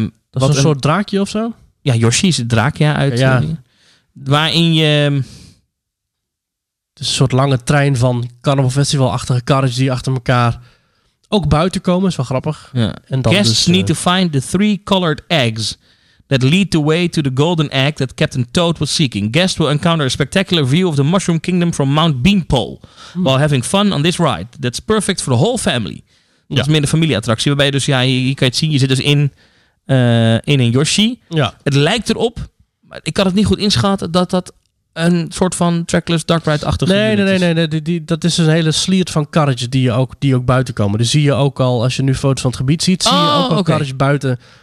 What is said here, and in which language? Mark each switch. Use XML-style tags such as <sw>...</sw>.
<nl>Dat is een soort draakje of zo? Ja, Yoshi is het draakje uit. Ja. Waarin je... Het is een soort lange trein van Carnival Festival-achtige karretjes die achter elkaar ook buiten komen. Dat is wel grappig. Ja. En dan</nl> <en>guests dus, need to find the three colored eggs that lead the way to the golden egg that Captain Toad was seeking. Guests will encounter a spectacular view of the Mushroom Kingdom from Mount Beanpole while having fun on this ride. That's perfect for the whole family.</en> <nl>Dat is meer een familieattractie, waarbij je dus, ja, hier kan je het zien, je zit dus in een Yoshi. Ja. Het lijkt erop, maar ik kan het niet goed inschatten, dat dat een soort van trackless dark ride-achtig is. Nee. Dat is een hele sliert van karretjes die ook buiten komen. Dus zie je ook al, als je nu foto's van het gebied ziet, zie je ook al karretjes buiten.</nl>